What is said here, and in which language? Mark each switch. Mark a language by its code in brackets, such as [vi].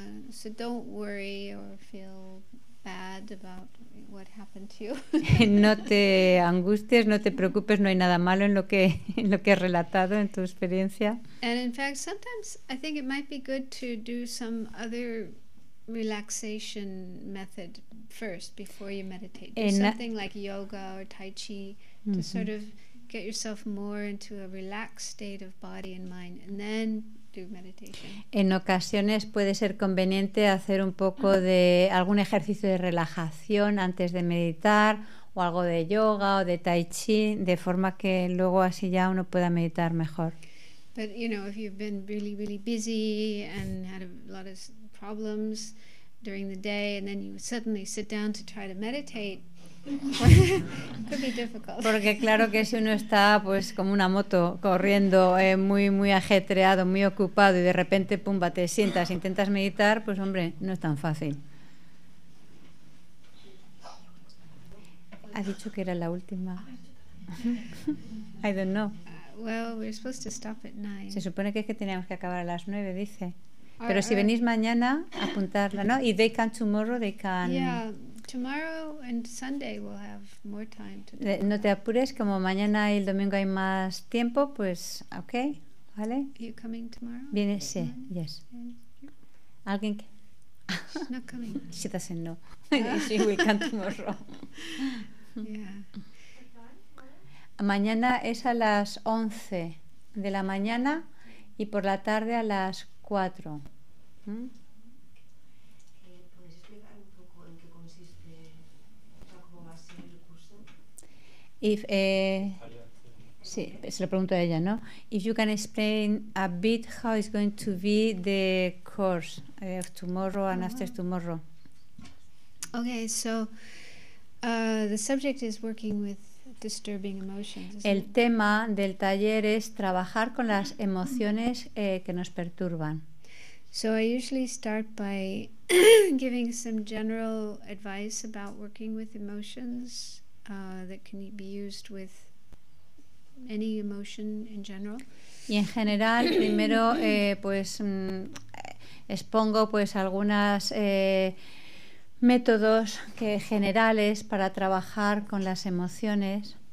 [en] So don't worry or feel bad about what happened to you. [es] No te angusties, no te preocupes, no hay nada malo en lo que has relatado en tu experiencia. [en] And in fact, sometimes I think it might be good to do some other relaxation method first before you meditate. Something like yoga or tai chi to sort of get yourself more into a relaxed state of body and mind, and then [es] en ocasiones puede ser conveniente hacer un poco de algún ejercicio de relajación antes de meditar, o algo de yoga o de tai chi, de forma que luego así ya uno pueda meditar mejor. [en] But you know, if you've been really really busy and had a lot of problems during the day and then you suddenly sit down to try to meditate, could be difficult. [es] Porque claro que si uno está pues como una moto corriendo muy muy ajetreado, muy ocupado, y de repente pumba, te sientas, intentas meditar, pues hombre, no es tan fácil. Ha dicho que era la última. [en] I don't know. Well, we're supposed to stop at 9. [es] Se supone que es que teníamos que acabar a las 9, dice. Pero si venís mañana, apuntarla, ¿no? [en] If they can tomorrow, they can. Yeah, tomorrow and Sunday we'll have more time to. [es] No te apures, como mañana y el domingo hay más tiempo, pues, okay, ¿vale? [en] Are you coming tomorrow? [es] Viene, sí, [en] yes. Yes. [es] ¿Alguien que? [en] She's not coming. She doesn't know. She will come tomorrow. Yeah. [es] Mañana es a las 11 de la mañana y por la tarde a las 4. ¿Puedes explicar un poco en qué consiste, cómo va a ser el curso? If sí, se lo pregunto a ella, ¿no? [en] If you can explain a bit how it's going to be the course of tomorrow and after tomorrow. Okay, so the subject is working with disturbing emotions. [es] El tema del taller es trabajar con las emociones que nos perturban. [en] So I usually start by giving some general advice about working with emotions that can be used with any emotion in general. [es] Y en general, primero pues expongo pues algunas métodos que generales para trabajar con las emociones.